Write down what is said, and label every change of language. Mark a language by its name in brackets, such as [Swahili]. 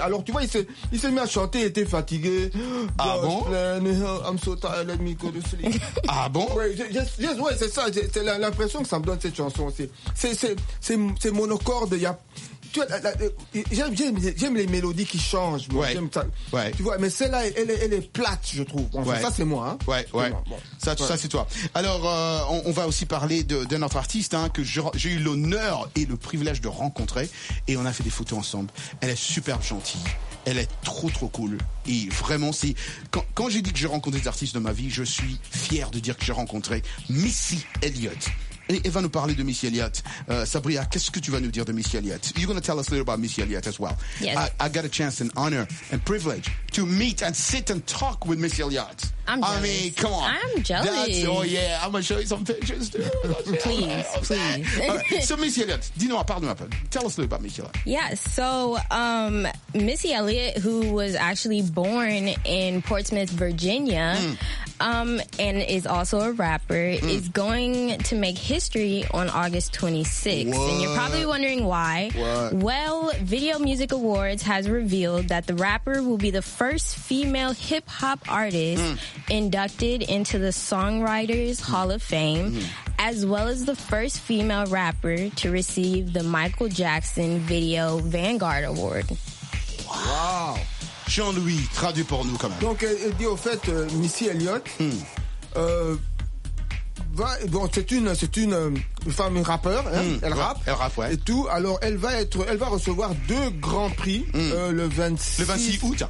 [French] Alors tu vois, il s'est mis à chanter, il était fatigué. Ah bon? [English] I'm so tired, let me go to sleep. [French] Ah bon? Ouais, c'est ça, c'est l'impression que ça me donne cette chanson aussi. C'est monocorde, il y a. Tu vois, j'aime les mélodies qui changent. Moi, ouais. J'aime ça. Ouais. Tu vois, mais celle-là, elle est plate, je trouve. Enfin, ouais. Ça, c'est moi. Hein. Ouais, ouais. Bon. Ça, c'est toi. Alors, on va aussi parler d'un autre artiste hein, que j'ai eu l'honneur et le privilège de rencontrer. Et on a fait des photos ensemble. Elle est super gentille. Elle est trop, trop cool. Et vraiment, c'est. Quand j'ai dit que j'ai rencontré des artistes dans ma vie, je suis fier de dire que j'ai rencontré Missy Elliott. Et elle va nous parler de Missy Elliott. Sabria, qu'est-ce que tu vas nous dire de Missy Elliott? [English] You're going to tell us a little about Missy Elliott as well. Yes. I got a chance, an honor, and privilege to meet and sit and talk with Missy Elliott. I'm jealous. I mean, come on. I'm jealous. I'm going to show you some pictures, too. Please. Right. So, Missy Elliott, [French] dis-nous, parle-nous un peu. [English] Tell us a little about Missy Elliott. Yeah, so Missy Elliott, who was actually born in Portsmouth, Virginia, and is also a rapper, is going to make history on August 26th. What? And you're probably wondering why. What? Well, Video Music Awards has revealed that the rapper will be the first female hip-hop artist inducted into the Songwriters Hall of Fame, as well as the first female rapper to receive the Michael Jackson Video Vanguard Award. [French] Wow. Jean-Louis, traduit pour nous quand même. Donc, elle dit au fait, Missy Elliott, c'est une femme, une rappeur, hein, elle rappe. Et tout. Alors, elle va recevoir deux grands prix, le 26 août.